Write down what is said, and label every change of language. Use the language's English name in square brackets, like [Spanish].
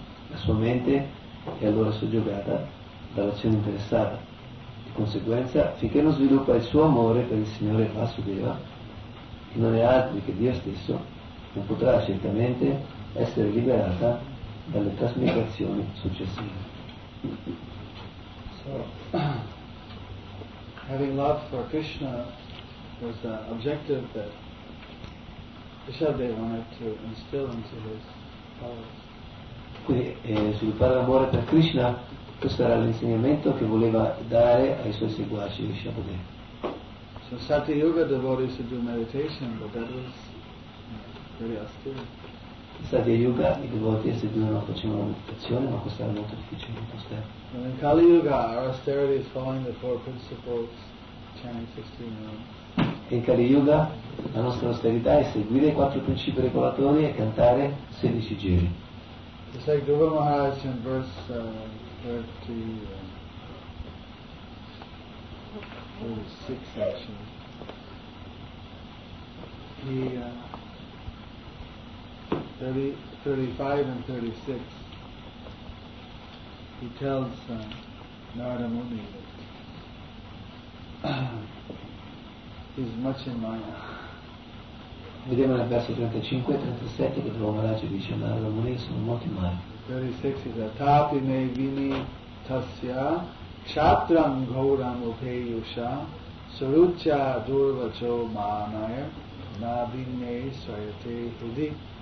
[Italian] La sua mente è allora soggiogata dall'azione interessata. Di conseguenza, finché non sviluppa il suo amore per il Signore Vasudeva, che non è altro che Dio stesso, non potrà certamente essere liberata dalle trasmigrazioni successive. [English] So. Having love for Krishna was the objective that Vishabdeva wanted to instill into his followers. [Italian] Quindi sviluppare l'amore per Krishna, questo era l'insegnamento che voleva dare ai suoi seguaci Vishabdeva. [English] So Satya Yuga devotees would do meditation, but that was [Italian] Sadhya Yuga i devoti assiduano facevano la meditazione, ma questo era molto difficile in questo tempo. [English] In Kali Yuga, austerity is following the four principles, chanting 16 rounds. [Italian] In Kali Yuga, la nostra austerità è seguire i quattro principi regolatori e cantare 16 giri. [English] It's like Dhruva Maharaj in verse 36 actually. He, 35 and 36, he tells Narada Muni that he's much in Maya. [Italian] Vediamo nel verso 35 e 37 che Dhruva Maharaj dice a Narada Muni sono molto in Maya. [English] 36 is a [Sanskrit] tapi me vini tasya kshatram ghauram upeyusha sarucha durvacho manaya na vinne swayate hudi.